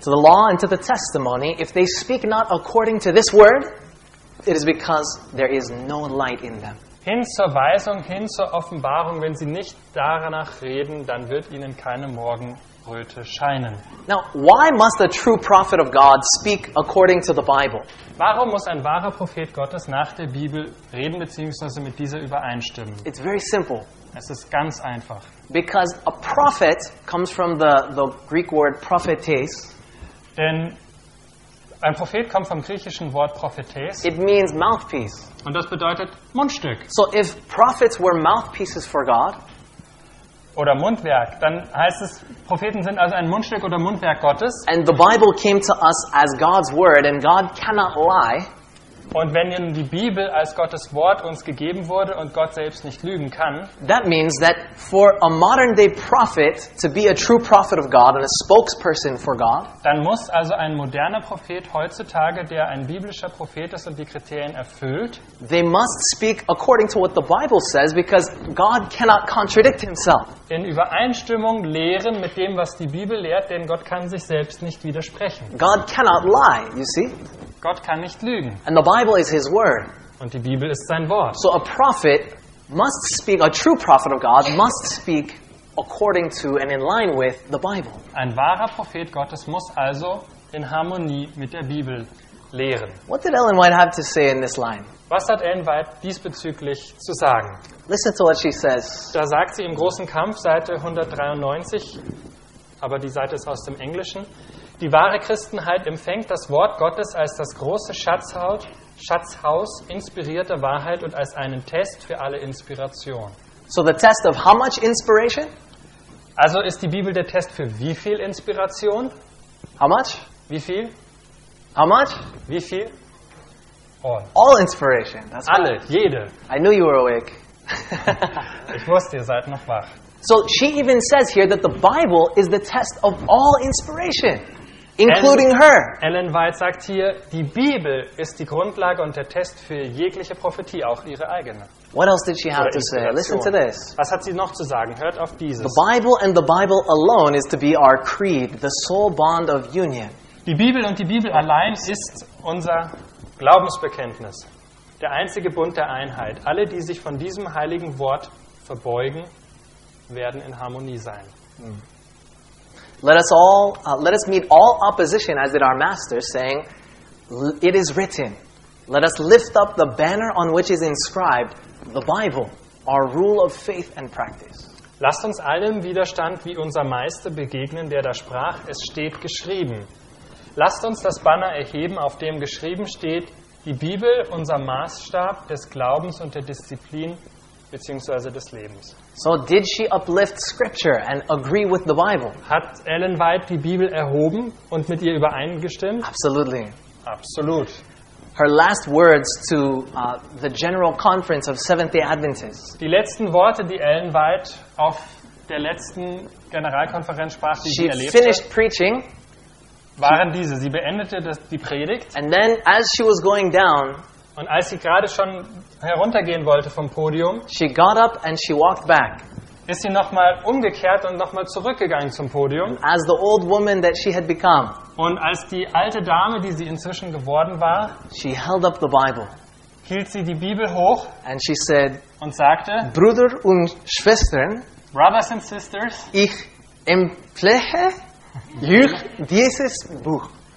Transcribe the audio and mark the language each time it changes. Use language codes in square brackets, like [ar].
[en] To the law and to the testimony, if they speak not according to this word, it is because there is no light in them. [de] Hin zur Weisung, hin zur Offenbarung, wenn sie nicht danach reden, dann wird ihnen keine Morgen scheinen. [en] Now, why must a true prophet of God speak according to the Bible? [de] Warum muss ein wahrer Prophet Gottes nach der Bibel reden bzw. mit dieser übereinstimmen? [en] It's very simple. [de] Es ist ganz einfach. [en] Because a prophet comes from the Greek word prophetes. [de] Denn ein Prophet kommt vom griechischen Wort prophetes. [en] It means mouthpiece. [de] Und das bedeutet Mundstück. [en] So if prophets were mouthpieces for God, [de] oder Mundwerk, dann heißt es, Propheten sind also ein Mundstück oder Mundwerk Gottes. [en] And the Bible came to us as God's word and God cannot lie. [de] Und wenn ihnen die Bibel als Gottes Wort uns gegeben wurde und Gott selbst nicht lügen kann, [en] that means that for a modern day prophet to be a true prophet of God and a spokesperson for God, [de] dann muss also ein moderner Prophet heutzutage, der ein biblischer Prophet ist und die Kriterien erfüllt, [en] they must speak according to what the Bible says because God cannot contradict himself. [de] In Übereinstimmung lehren mit dem, was die Bibel lehrt, denn Gott kann sich selbst nicht widersprechen. [en] God cannot lie, you see? [de] Gott kann nicht lügen. [en] And the Bible is his word. [de] Und die Bibel ist sein Wort. [en] So a prophet must speak, a true prophet of God must speak according to and in line with the Bible. [de] Ein wahrer Prophet Gottes muss also in Harmonie mit der Bibel lehren. [en] What did Ellen White have to say in this line? [de] Was hat Ellen White diesbezüglich zu sagen? [en] Listen to what she says. [de] Da sagt sie im großen Kampf, Seite 193, aber die Seite ist aus dem Englischen. Die wahre Christenheit empfängt das Wort Gottes als das große Schatzhaus inspirierter Wahrheit und als einen Test für alle Inspiration. [en] So the test of how much inspiration? [de] Also ist die Bibel der Test für wie viel Inspiration? [en] How much? [de] Wie viel? [en] How much? [de] Wie viel? [en] All. All inspiration. That's [de] alle, jede. [en] I knew you were awake. [de] Ich wusste, ihr seid noch wach. [en] So she even says here that the Bible is the test of all inspiration. Including her. [de] Ellen White sagt hier, die Bibel ist die Grundlage und der Test für jegliche Prophetie, auch ihre eigene. [en] What else did she have to say? Listen to this. [de] Was hat sie noch zu sagen? Hört auf dieses. [en] The Bible and the Bible alone is to be our creed, the sole bond of union. [de] Die Bibel und die Bibel allein ist unser Glaubensbekenntnis, der einzige Bund der Einheit. Alle, die sich von diesem heiligen Wort verbeugen, werden in Harmonie sein. [en] Let us meet all opposition as did our master, saying, "It is written." Let us lift up the banner on which is inscribed the Bible, our rule of faith and practice. [de] Lasst uns allem Widerstand wie unser Meister begegnen, der da sprach: Es steht geschrieben. Lasst uns das Banner erheben, auf dem geschrieben steht: Die Bibel, unser Maßstab des Glaubens und der Disziplin bzw. des Lebens. [en] So did she uplift scripture and agree with the Bible? [de] Hat Ellen White die Bibel erhoben und mit ihr übereingestimmt? [en] Absolutely. [de] Absolut. [en] Her last words to the General Conference of Seventh-day Adventists. [de] Die letzten Worte, die Ellen White auf der letzten Generalkonferenz sprach, die sie erlebte. [en] She finished preaching. [de] waren diese. Sie beendete die Predigt. [en] And then, as she was going down, [de] und als sie gerade schon heruntergehen wollte vom Podium, [en] she got up and she walked back. [de] Ist sie nochmal umgekehrt und nochmal zurückgegangen zum Podium. [en] As the old woman that she had become, [de] und als die alte Dame, die sie inzwischen geworden war, [en] she held up the Bible. [de] Hielt sie die Bibel hoch [en] and she said, [de] und sagte, Brüder und Schwestern, [en] Brothers and sisters, [de] ich empfehle euch dieses Buch.